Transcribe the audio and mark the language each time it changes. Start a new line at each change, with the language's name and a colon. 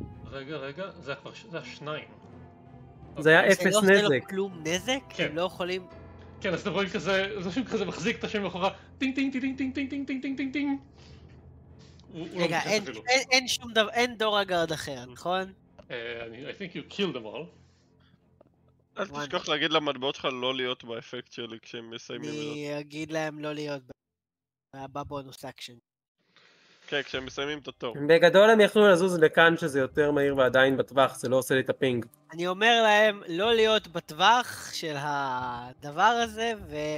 Hebrew: רגע, רגע, זה כבר, זה השניים. זה היה אפס נזק. שלא עושה לו כלום נזק? כן. הם לא יכולים... כן, אז אתם רואים כזה, זה שם כזה מחזיק את השם מאחורה, טינג טינג טינג טינג טינג טינג טינג טינג טינג טינג. רגע, אין שום דבר, אין דורגרד אחר, נכון?
English: I think you killed them all.
Hebrew: אל תשכח להגיד למטבעות שלך לא להיות באפקט שלי כשהם מסיימים את זה. אני אגיד להם לא להיות בבונוס אקשן. כן, כשהם מסיימים את התור. בגדול הם יכלו לזוז לכאן שזה יותר מהיר ועדיין בטווח, זה לא עושה לי את הפינג. אני אומר להם לא להיות בטווח של הדבר הזה ו...